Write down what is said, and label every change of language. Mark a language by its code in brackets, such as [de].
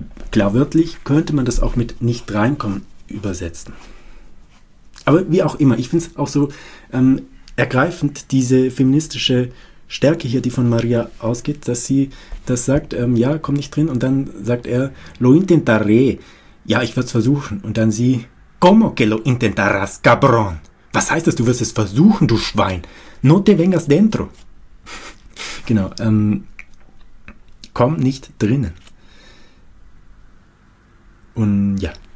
[de] Klar, wörtlich könnte man das auch mit nicht reinkommen übersetzen. Aber wie auch immer, ich finde es auch so ergreifend, diese feministische Stärke hier, die von Maria ausgeht, dass sie das sagt, ja, komm nicht drin, und dann sagt er, [es] lo intentaré, [de] ja, ich werde es versuchen. Und dann sie, [es] como que lo intentarás, cabrón? [de] Was heißt das, du wirst es versuchen, du Schwein? [es] No te vengas dentro. [de] Genau, komm nicht drinnen. Und ja.